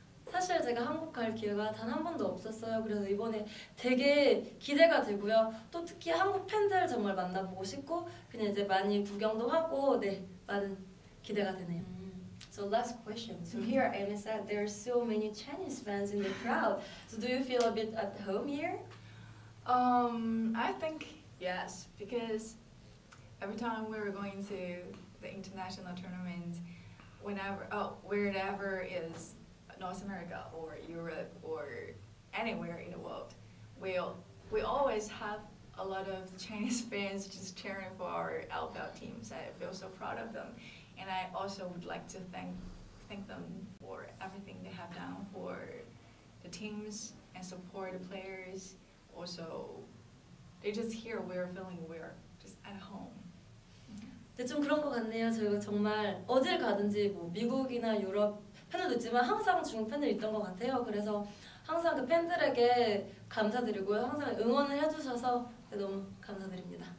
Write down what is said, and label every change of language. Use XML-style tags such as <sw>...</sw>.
<ko>사실 제가 한국 갈 기회가 단 한 번도 없었어요. 그래서 이번에 되게 기대가 되고요. 또 특히 한국 팬들 정말 만나보고 싶고 그냥 이제 많이 구경도 하고 네, 많은 기대가 되네요.</ko> <en>So last question. So here at MSI, there are so many Chinese fans in the crowd. So do you feel a bit at home here? I think yes, because every time we were going to the international tournament, wherever is North America or Europe or anywhere in the world, we always have a lot of Chinese fans just cheering for our LPL teams. I feel so proud of them, and I also would like to thank them for everything they have done for the teams and support the players. Also, they just hear we're feeling we're just at home.</en> <ko>네, 좀 그런 것 같네요. 저희가 정말 어딜 가든지 뭐 미국이나 유럽 팬들도 있지만 항상 중국 팬들이 있던 것 같아요. 그래서 항상 그 팬들에게 감사드리고요. 항상 응원을 해주셔서 너무 감사드립니다.</ko>